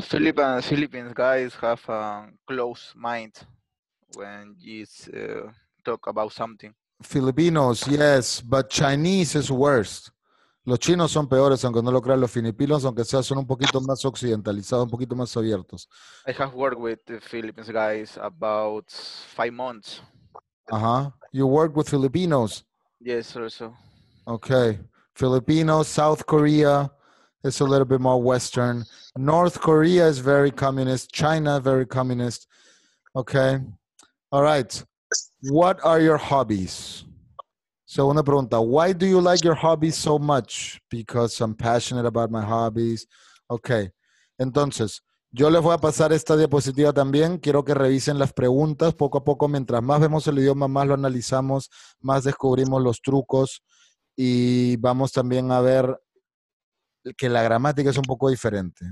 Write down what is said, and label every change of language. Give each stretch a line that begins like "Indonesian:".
English: Philippines guys have a close mind when you talk about something. Filipinos, yes, but Chinese is worse.
Spanish: Los chinos son peores, aunque no lo crean los filipinos, aunque sea, son un poquito más occidentalizados, un poquito más abiertos.
English: I have worked with the Philippines guys about 5 months. Uh-huh. You work with Filipinos? Yes, also. Okay. Filipinos, South Korea is a little bit more Western. North Korea is very communist. China, very communist. Okay. All right. What are your hobbies? So,
Spanish: una pregunta.
English: Why do you like your hobbies so much? Because I'm passionate about my hobbies. Okay.
Spanish: Entonces, yo les voy a pasar esta diapositiva también. Quiero que revisen las preguntas poco a poco. Mientras más vemos el idioma, más lo analizamos, más descubrimos los trucos. Y vamos también a ver que la gramática es un poco diferente.